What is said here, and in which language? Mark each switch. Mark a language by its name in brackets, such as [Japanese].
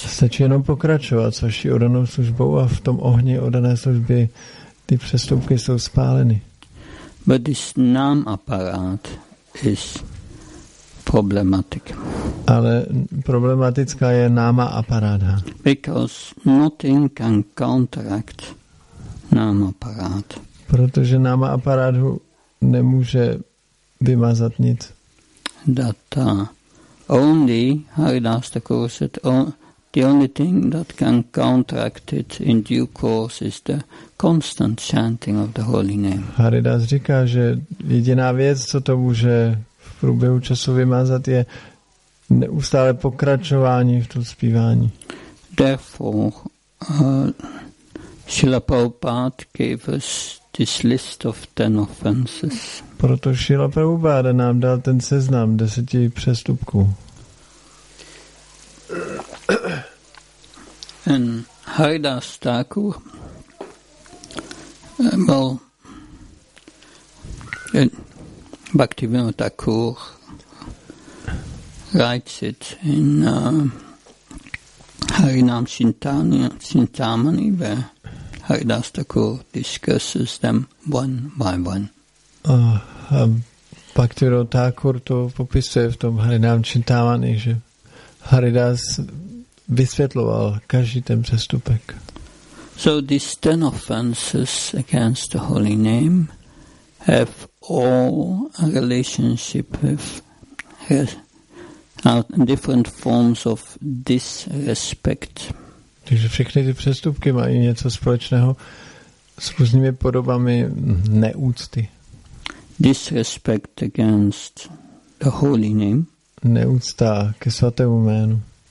[Czech] Stačí jenom pokračovat s vaší oddanou službou a v tom ohni oddané služby ty přestupky jsou spáleny. [English] But this nam apparat is problematic. [Czech] Ale problematická je náma aparáta. [English] Because nothing can counteract náma aparát. [Czech] Protože náma aparátu nemůže vymazat nic. [English] That only Haridas Thakur said, the only thing that can counteract it in due course is the constant chanting of the holy name. [Czech] Haridas říká, že jediná věc, co to může v průběhu času vymazat, je neustále pokračování v tom zpívání. [English] Therefore, Srila Prabhupada gave us this list of 10 offenses. [Czech] Proto Srila Prabhupada nám dal ten seznam 10 přestupků. [English] And Haridas Thakur, Bhaktivinoda Thakur writes it in Harinam Chintamani, where Haridas Thakur discusses them one by one. [Czech] Bhaktivinoda Thakur to popisuje v tom Harinam Chintamani, že Haridas vysvětloval každý ten přestupek. [English] So these 10 offenses against the holy name have all a relationship with different forms of disrespect. [Czech] Takže všechny ty přestupky mají něco společného s různými podobami neúcty. [English] Disrespect against the holy name. [Czech] Neúcta ke svatému jménu.